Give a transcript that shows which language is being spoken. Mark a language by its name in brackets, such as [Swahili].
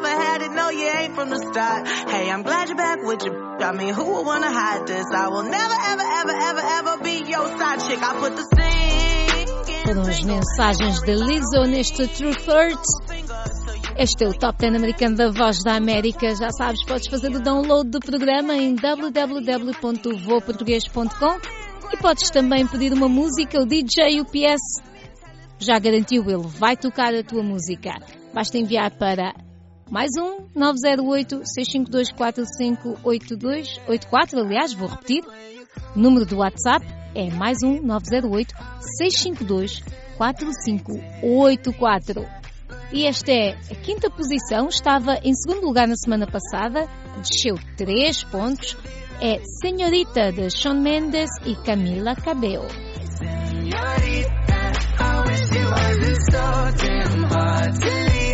[English] From the start, hey, I'm glad you're back with you. I mean, who would wanna hide this? I will never, ever, ever, ever, ever be your side chick. I put the stink in. [Portuguese] Foram as mensagens de Lizzo neste Truth Hurts. Este é o Top 10 americano da Voz da América. Já sabes, podes fazer o download do programa em www.voaportugues.com e podes também pedir uma música. O DJ UPS já garantiu, ele vai tocar a tua música. Basta enviar para mais um 908-652-458284, aliás, vou repetir, o número do WhatsApp é mais um 908-652-4584. E esta é a quinta posição, estava em segundo lugar na semana passada, desceu 3 pontos, é Senhorita, de Shawn Mendes e Camila Cabello. [English] Senhorita, I wish you were so damn hard to leave.